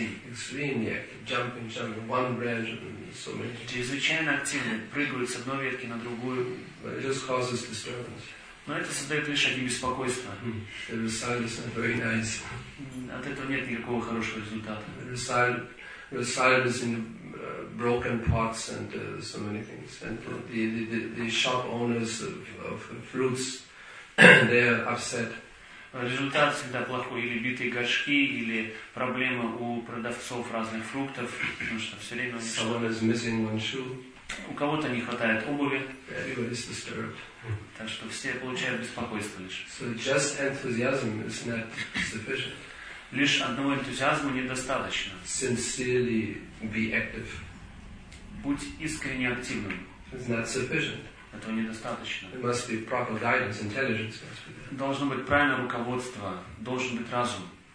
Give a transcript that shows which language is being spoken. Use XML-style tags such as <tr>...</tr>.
<en>Extremely active. Jumping, one branch and so many.</en> <ru>Чрезвычайно активны, прыгают с одной ветки на другую.</ru> <en>But it just causes disturbance.</en> <ru>Но это создает лишь одни беспокойства.</ru> <en>The result is not very nice.</en> <ru>От этого нет никакого хорошего результата.</ru> <en>The result is in broken pots and so many things. And the shop owners of fruits, they are upset.</en> <ru>Результат всегда плохой, или битые горшки, или проблемы у продавцов разных фруктов, потому что все время они...</ru> <en>Someone is missing one shoe.</en> <ru>У кого-то не хватает обуви.</ru> <en>Everybody is disturbed.</en> <ru>Так что все получают беспокойство лишь.</ru> <en>So just enthusiasm is not sufficient.</en> <ru>Лишь одного энтузиазма недостаточно.</ru> <en>Sincerely be active.</en> <ru>Будь искренне активным.</ru> <en>It's not sufficient.</en> <ru>Этого недостаточно.</ru> <en>There must be proper guidance, intelligence must be there.</en> <ru>Должно быть правильное руководство, должен быть разум.</ru>